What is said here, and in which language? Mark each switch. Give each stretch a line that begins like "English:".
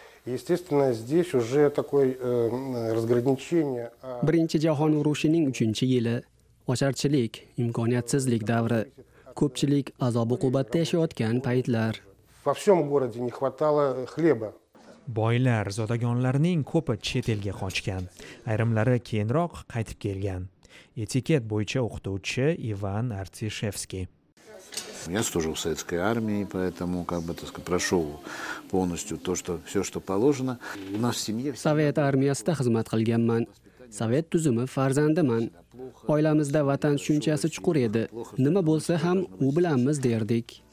Russian: Естественно, здесь уже такое разграничение.
Uzbek: Birinchi jahon urushining 3-chi yili. Ocharchilik, imkoniyatsizlik davri. Ko'pchilik azob-uqubatda yashayotgan paytlar.
Russian: Во всём городе не хватало хлеба.
Uzbek: Boylar, zodagonlarning ko'pi chet elga qochgan. Ayrimlari keyinroq qaytib kelgan. Etiket bo'yicha o'qituvchi Ivan Artishevskiy.
Russian: Я служил в советской армии, поэтому как бы, так сказать, прошёл полностью то, что всё, что положено. У нас в семье
Uzbek: Совет армиясида хизмат қилганман. Совет тузими фарзандиман. Оиламизда ватан тушунчаси чуқур эди. Нима бўлса ҳам у биламиз дердик.